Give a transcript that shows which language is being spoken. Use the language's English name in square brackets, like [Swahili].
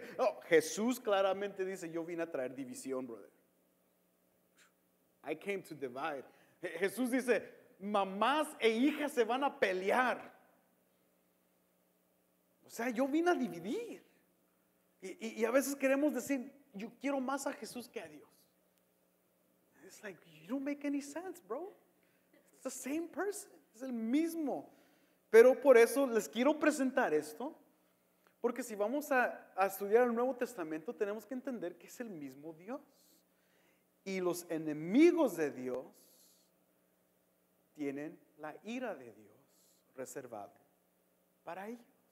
[Spanish] No, Jesús claramente dice, yo vine a traer división, brother. [English] I came to divide. [Spanish] Jesús dice, mamás e hijas se van a pelear. O sea, yo vine a dividir. Y a veces queremos decir, yo quiero más a Jesús que a Dios. [English] It's like, you don't make any sense, bro. It's the same person. [Spanish] Es el mismo, pero por eso les quiero presentar esto, porque si vamos a estudiar el Nuevo Testamento, tenemos que entender que es el mismo Dios, y los enemigos de Dios tienen la ira de Dios reservada para ellos.